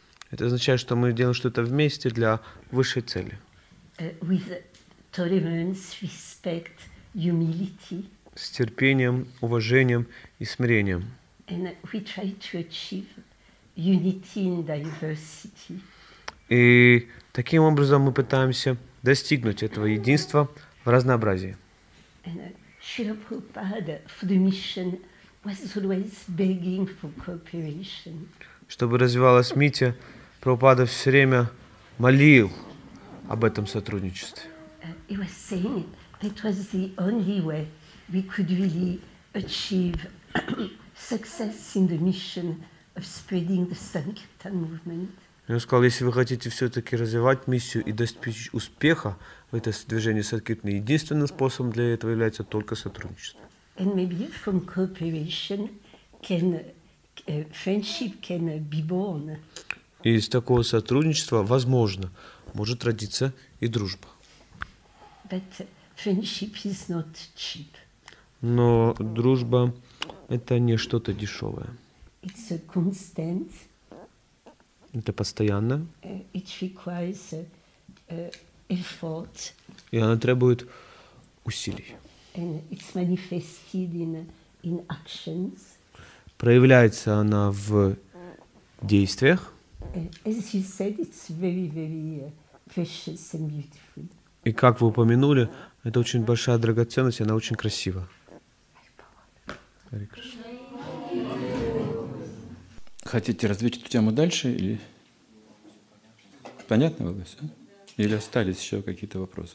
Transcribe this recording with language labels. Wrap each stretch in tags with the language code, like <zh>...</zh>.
<ru>Это означает, что мы делаем что-то вместе для высшей цели.</ru> <en>With tolerance, respect, humility.</en> <ru>С терпением, уважением и смирением.</ru> <en>And we try to achieve unity in diversity.</en> <ru>И таким образом мы пытаемся достигнуть этого единства в разнообразии.</ru> <en>And Srila Prabhupada for the mission was always begging for cooperation.</en> <ru>Чтобы развивалась Митя, Прабхупада все время молил об этом сотрудничестве.</ru> <en>He was saying that was the only way we could really achieve success in the mission of spreading the Sankirtan movement.</en> <ru>Я сказал, если вы хотите все-таки развивать миссию и достичь успеха в этом движении Садхгитны, единственным способом для этого является только сотрудничество.</ru> <en>And maybe from cooperation can friendship can be born.</en> <ru>И из такого сотрудничества, возможно, может родиться и дружба.</ru> <en>But friendship is not cheap.</en> <ru>Но дружба это не что-то дешевое.</ru> <en>It's a constant.</en> <ru>Это постоянно.</ru> <en>It requires effort.</en> <ru>И она требует усилий.</ru> <en>And it's manifested in actions.</en> <ru>Проявляется она в действиях.</ru> <en>As you said, it's very, very precious and beautiful.</en> <ru>И как вы упомянули, это очень большая драгоценность, она очень красива. Хотите развить эту тему дальше или понятно было все? Или остались еще какие-то вопросы?</ru>